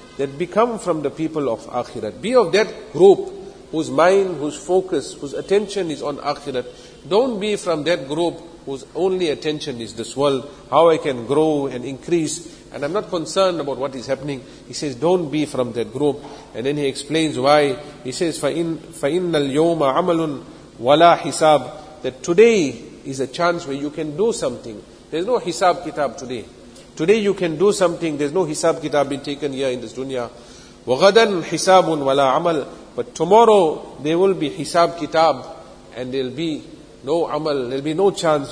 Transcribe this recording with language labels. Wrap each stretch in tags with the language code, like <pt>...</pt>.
<en>That become from the people of akhirat. Be of that group whose mind, whose focus, whose attention is on akhirat. Don't be from that group whose only attention is this world, how I can grow and increase, and I'm not concerned about what is happening. He says, don't be from that group. And then he explains why. He says,</en> <ar>فَإِنَّ الْيَوْمَ عَمَلٌ وَلَا حِسَابٌ.</ar> <en>That today is a chance where you can do something. There's no hisab kitab today. Today you can do something. There's no hisab kitab being taken here in this dunya.</en> <ar>وَغَدًا حِسَابٌ وَلَا عَمَلٌ.</ar> <en>But tomorrow there will be hisab kitab and there'll be no amal. There'll be no chance.</en>